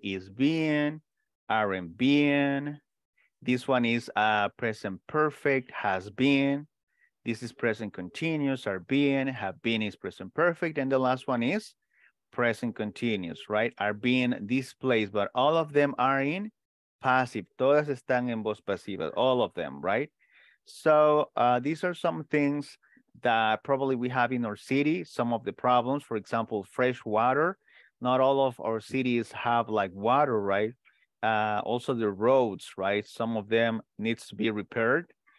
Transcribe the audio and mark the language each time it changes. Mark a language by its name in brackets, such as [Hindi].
[English] Is being, aren't being. This one is present perfect, has been. This is present continuous, are being, have been is present perfect. And the last one is present continuous, right? Are being displaced, but all of them are in passive. [Spanish] Todas están en voz pasiva, all of them, right? [English] So these are some things that probably we have in our city, some of the problems. For example, fresh water. Not all of our cities have like water, right? Also the roads, right? Some of them needs to be repaired.